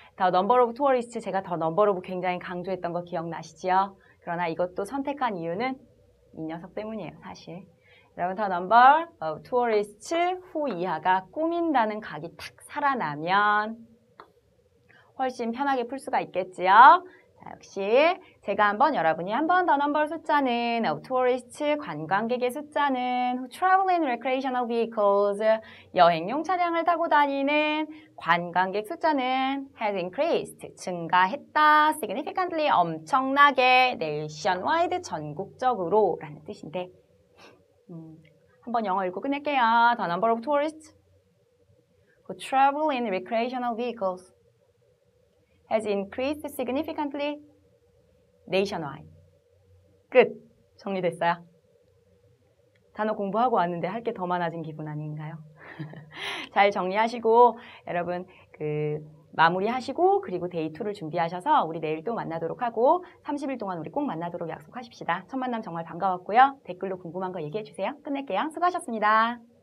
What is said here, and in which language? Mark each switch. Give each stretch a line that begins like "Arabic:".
English: The number of tourists,
Korean: 제가
English: the number of
Korean: 굉장히 강조했던 거 기억나시죠? 그러나 이것도 선택한 이유는 이 녀석 때문이에요, 사실. 여러분,
English: the number of tourists who
Korean: 이하가 꾸민다는 각이 탁 살아나면 훨씬 편하게 풀 수가 있겠지요. 자, 역시 제가 한번, 여러분이 한번
English: the number
Korean: 숫자는
English: of tourists,
Korean: 관광객의 숫자는
English: who travel in recreational vehicles,
Korean: 여행용 차량을 타고 다니는 관광객 숫자는
English: has increased,
Korean: 증가했다,
English: significantly,
Korean: 엄청나게,
English: nationwide,
Korean: 전국적으로 라는 뜻인데 한번 영어 읽고 끝낼게요.
English: The number of tourists who travel in recreational vehicles has increased significantly nationwide.
Korean: 끝! 정리됐어요. 단어 공부하고 왔는데 할 게 더 많아진 기분 아닌가요? 잘 정리하시고 여러분 마무리하시고 그리고 데이2를 준비하셔서 우리 내일 또 만나도록 하고 30일 동안 우리 꼭 만나도록 약속하십시다. 첫 만남 정말 반가웠고요. 댓글로 궁금한 거 얘기해 주세요. 끝낼게요. 수고하셨습니다.